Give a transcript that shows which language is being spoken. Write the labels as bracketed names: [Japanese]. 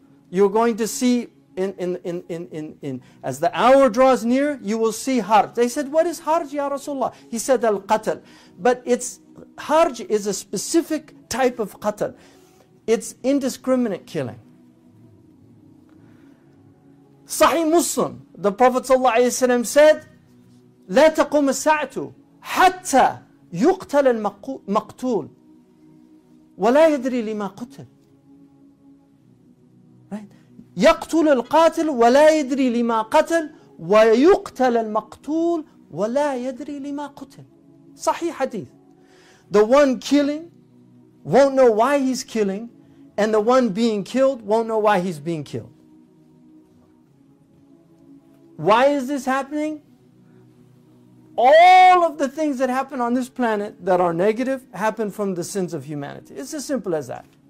[English] You're going to see in as the hour draws near, you will see harj. They said, what is harj, Ya Rasulullah? He said, al-qatl. But it's harj is a specific type of qatl. It's indiscriminate killing. Sahih Muslim, the Prophet ﷺ said, [Arabic] لا تقوم الساعة حتى يقتل المقتول ولا يدري لما قتل. [English] Right? [Arabic] يقتل القاتل ولا يدري لما قتل ويقتل المقتول ولا يدري لما قتل. صحيح حديث. [English] The one killing won't know why he's killing, and the one being killed won't know why he's being killed. Why is this happening? All of the things that happen on this planet that are negative happen from the sins of humanity. It's as simple as that.